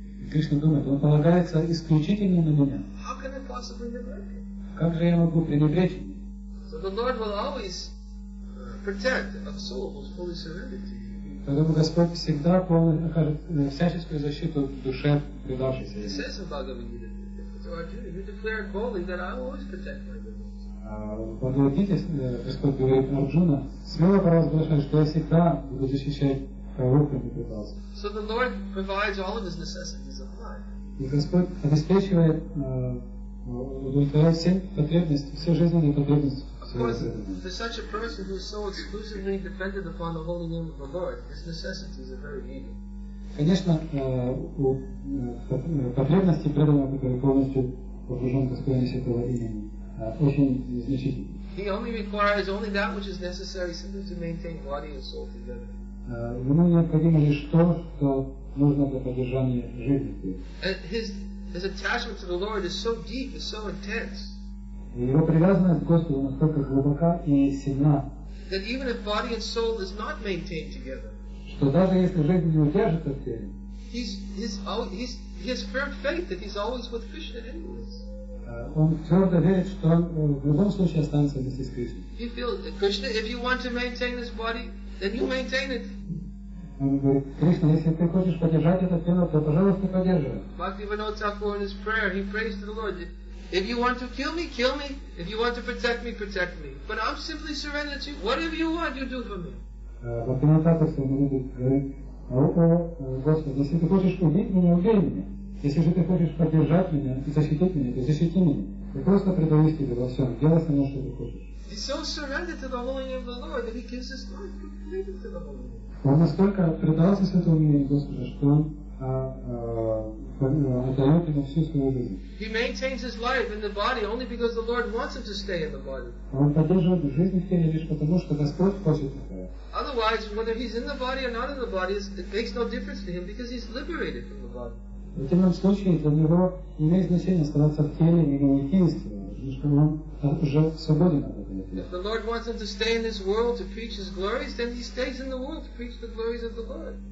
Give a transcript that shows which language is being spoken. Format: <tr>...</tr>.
<ru>Кришна думает, он полагается исключительно на меня.</ru> <en>How can I possibly neglect him?</en> <ru>Как же я могу пренебречь им?</ru> <en>So the Lord will always protect a soul who's fully surrendered to him.</en> <ru>Поэтому Господь всегда всяческую защиту душе предавшейся.</ru> <en>It says in Bhagavad Gita, so Arjuna, you declare boldly that I will always protect my devotees.</en> <ru>Бхагавад Гите Господь говорит Арджуна, смело провозглашай, что я всегда буду защищать.</ru> <en>So the Lord provides all of his necessities of life.</en> <ru>И Господь обеспечивает удовлетворяет все потребности, все жизненные потребности.</ru> <en>Of course, for such a person who is so exclusively dependent upon the holy name of the Lord, his necessities are very needy.</en> <ru>Конечно, у потребности преданного, который полностью погружен в Господне Святого имени, очень значительны.</ru> <en>He only requires only that which is necessary simply to maintain body and soul together.</en> <ru>Ему необходимо лишь то, что нужно для поддержания жизни.</ru> <en>His attachment to the Lord is so deep, is so intense.</en> <ru>И его привязанность к Господу настолько глубока и сильна,</ru> <en>that even if body and soul is not maintained together,</en> <ru>что даже если жизнь не удержится в теле,</ru> <en>he has firm faith that he's always with Krishna anyways.</en> <ru>Он твердо верит, что он в любом случае останется вместе с Кришной.</ru> <en>He feels Krishna, if you want to maintain this body, then you maintain it.</en> <ru>Он говорит, Кришна, если ты хочешь поддержать это тело, то, пожалуйста, поддерживай.</ru> <en>Бхактивинода Тхакур in his prayer, he prays to the Lord, if you want to kill me, kill me. If you want to protect me, protect me. But I'm simply surrendered to you. Whatever you want, you do for me.</en> <ru>Бхактивинода Тхакур говорит, о, Господи, если ты хочешь убить меня, убей меня. Если же ты хочешь поддержать меня и защитить меня, то защити меня. Я просто предаюсь тебе во всем. Делай со мной, что ты хочешь.</ru> <en>He's so surrendered to the holy name of the Lord that he gives his life completely to the holy name.</en> <ru>Он настолько предался святому имени Господа, что он отдает ему всю свою жизнь.</ru> <en>He maintains his life in the body only because the Lord wants him to stay in the body.</en> <ru>Он поддерживает жизнь в теле лишь потому, что Господь хочет этого.</ru> <en>Otherwise, whether he's in the body or not in the body, it makes no difference to him because he's liberated from the body.</en> <ru>В этом случае для него не имеет значения оставаться в теле или не в теле, потому что он уже свободен от этого.</ru> <en>If the Lord wants him to stay in this world to preach his glories, then he stays in the world to preach the glories of the Lord.</en>